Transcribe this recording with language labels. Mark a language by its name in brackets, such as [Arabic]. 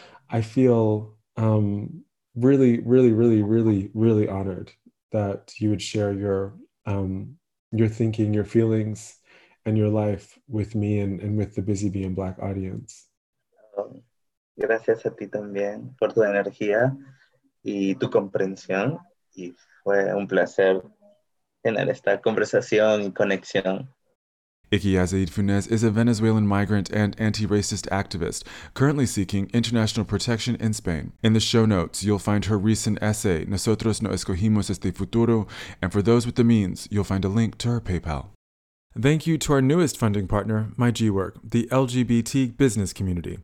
[English] I feel really, really, really, really, really honored that you would share your thinking, your feelings, and your life with me and with the Busy Being Black audience. [Spanish] Gracias a ti también por tu energía y tu comprensión. Y fue un placer tener esta conversación y conexión. [English] Iki Azaid Funes is a Venezuelan migrant and anti-racist activist currently seeking international protection in Spain. In the show notes, you'll find her recent essay, Nosotros no escogimos este futuro, and for those with the means, you'll find a link to her PayPal. Thank you to our newest funding partner, MyGWork, the LGBT business community.